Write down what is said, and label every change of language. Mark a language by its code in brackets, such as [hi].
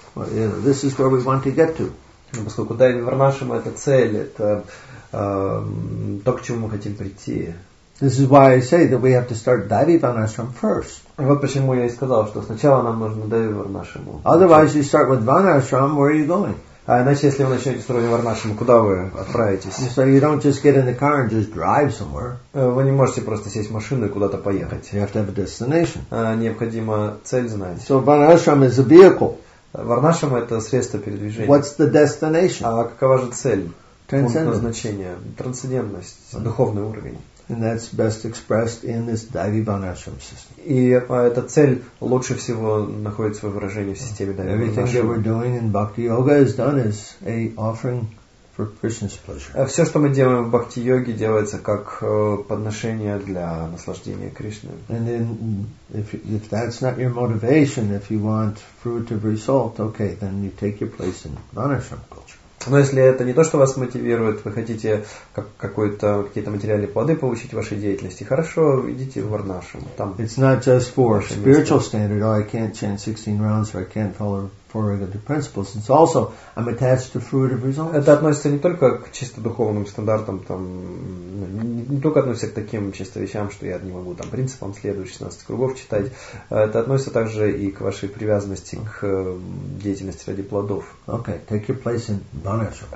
[en] You know, this is where we want to get to. [ru] Ну, поскольку Daivi Varnashram это цель, это то, к чему мы хотим прийти. [en] This is why I say that we have to start Daivi Varnashram first. [ru] Вот почему я и сказал, что сначала нам нужно Daivi Varnashram. [en] Otherwise, you start with Varnashram, where are you going? [ru] А иначе, если вы начнете с уровня Варнашрама, куда вы отправитесь? [en] So you don't just get in the car and just drive somewhere. [ru] Вы не можете просто сесть в машину и куда-то поехать. [en] You have to have a destination. [ru] Необходимо цель знать. [en] So Varnashram is a vehicle. [ru] Варнашрама это средство передвижения. [en] What's the destination? [ru] А какова же цель? Трансцендентное значение, трансцендентность, mm-hmm. духовный уровень. [en] And that's best expressed in this Daivi Varnashram system. [ru] И эта цель лучше всего находит свое выражение в системе Daivi Varnashram. [en] Everything that we're doing in Bhakti Yoga is done as a offering for Krishna's pleasure. [ru] Все, что мы делаем в Бхакти Йоге, делается как подношение для наслаждения Кришны. [en] And then, if that's not your motivation, if you want fruitive result, okay, then you take your place in Varnashram culture. [ru] Но если это не то, что вас мотивирует, вы хотите какие-то материальные плоды получить в вашей деятельности, хорошо, идите в Варнашраму. [en] It's not just for spiritual standard, I can't chant 16 rounds, or I can't follow four regular principles. It's also, I'm attached to fruit of results. [ru] Это относится не только к чисто духовным стандартам, там, не только относится к таким чисто вещам, что я не могу там принципам следовать, 16 кругов читать. Это относится также и к вашей привязанности к деятельности ради плодов. [en] Okay, take your place in Varnashrama.